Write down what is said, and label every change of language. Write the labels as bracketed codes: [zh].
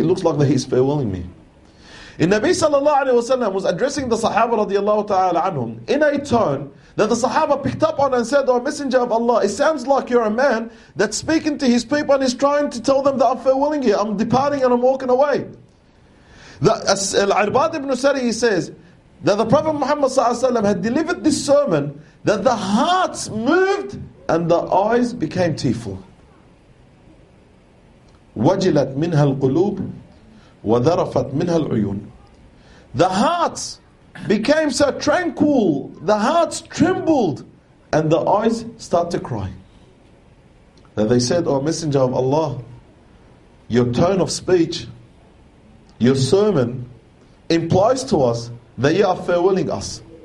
[en] It looks like that he's farewelling me. In Nabi sallallahu alayhi wa sallam was addressing the Sahaba radiallahu ta'ala anhum in a tone that the Sahaba picked up on and said, O Messenger of Allah, it sounds like you're a man that's speaking to his people and he's trying to tell them that I'm farewelling you, I'm departing and I'm walking away. Al-Irbad ibn Sari, he says, that the Prophet Muhammad sallallahu alaihi wasallam had delivered this sermon, that the hearts moved and the eyes became tearful. [ar] وَجِلَتْ مِنْهَا الْقُلُوبُ وَذَرَفَتْ مِنْهَا الْعُيُونَ. [en] The hearts became so tranquil, the hearts trembled, and the eyes start to cry. Then they said, O Messenger of Allah, your tone of speech, your sermon, implies to us that you are farewelling us.